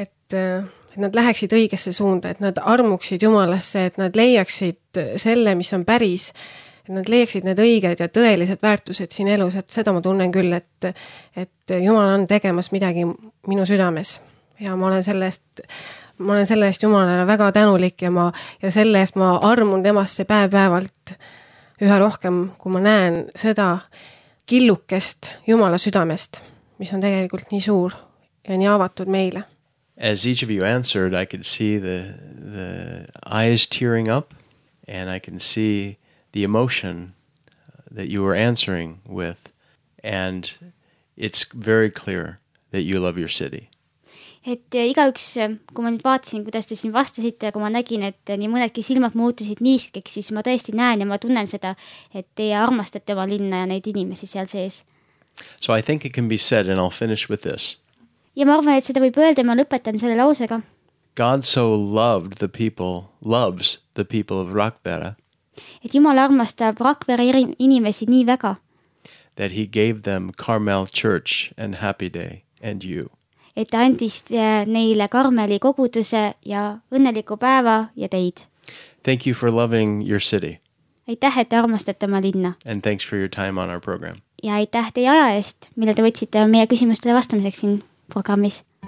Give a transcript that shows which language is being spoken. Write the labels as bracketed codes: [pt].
[et] et nad läheksid õigesse suunda, et nad armuksid Jumalasse, et nad leiaksid selle, mis on päris, et nad leiaksid need õiged ja tõelised väärtused siin elus, et seda ma tunnen küll, et Jumal on tegemas midagi minu südames ja ma olen sellest Jumalale väga tänulik ja selle eest ma armun temasse päev-päevalt üha rohkem, kui ma näen seda killukest Jumala südamest, mis on tegelikult nii suur ja nii avatud meile. [en] As each of you answered, I could see the eyes tearing up and I can see the emotion that you were answering with and it's very clear that you love your city. [et] Et igaüks, kui ma nüüd vaatasin, kuidas te siin vastasite ja kui ma nägin, et nii mõnedki silmad muutusid niiskeks, siis ma tõesti näen ja ma tunnen seda, et teie armastate oma linna ja neid inimesi seal sees. [en] So I think it can be said and I'll finish with this. [et] Ja ma arvan, et seda võib öelda, ma lõpetan selle lausega. [en] God so loved the people, loves the people of Rakvere. [et] Et Jumal armastab Rakvere inimesi nii väga. [en] That he gave them Carmel Church and Happy Day and you. [et] Et ta andis neile Karmeli koguduse ja õnneliku päeva ja teid. [en] Thank you for loving your city. [et] Aitäh, et te armastate oma linna. [en] And thanks for your time on our program. [et] Ja aitäh teie aja eest, mille te võtsite meie küsimustele vastamiseks siin programmis.